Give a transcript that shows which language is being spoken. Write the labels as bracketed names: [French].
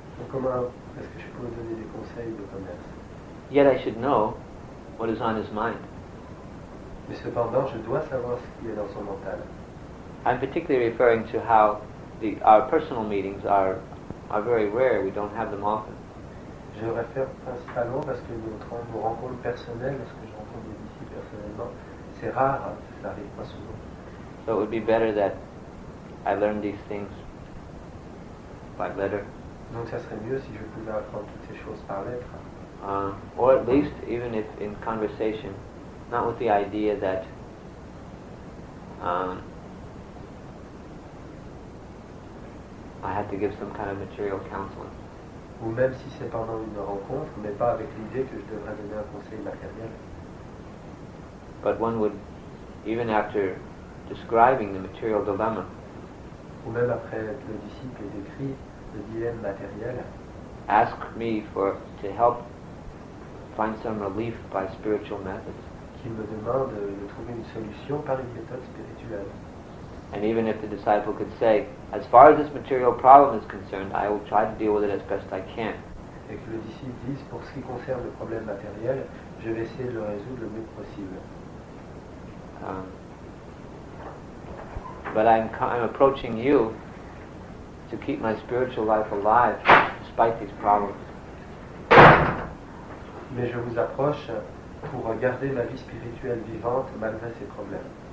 [French] Comment est-ce que je peux donner des conseils de commerce? [English] Yet I should know what is on his mind. [French] Mais cependant, je dois savoir ce qui est dans son mental. [English] I'm particularly referring to how our personal meetings are very rare. We don't have them often. [French] Je réfère principalement parce que nos rencontres personnelles, lorsque je rencontre des disciples personnellement, c'est rare. Ça arrive pas souvent. [English] So it would be better that I learn these things by letter. [French] Donc ça serait mieux si je pouvais apprendre toutes ces choses par lettre. [English] Or at least even if in conversation, not with the idea that I have to give some kind of material counseling. [French] Ou même si c'est pendant une rencontre, mais pas avec l'idée que je devrais donner un conseil matériel. [English] But one would, even after describing the material dilemma, [French] ou même après le disciple ait décrit le dilemme matériel, [English] ask me to help find some relief by spiritual methods. [French] Qu'il me demande de trouver une solution par une méthode spirituelle. [English] And even if the disciple could say, as far as this material problem is concerned, I will try to deal with it as best I can. [French] Et que le disciple dise, pour ce qui concerne le problème matériel, je vais essayer de le résoudre le mieux possible. [English] But I'm approaching you to keep my spiritual life alive despite these problems. [French] Mais je vous approche pour garder ma vie spirituelle vivante malgré ces problèmes.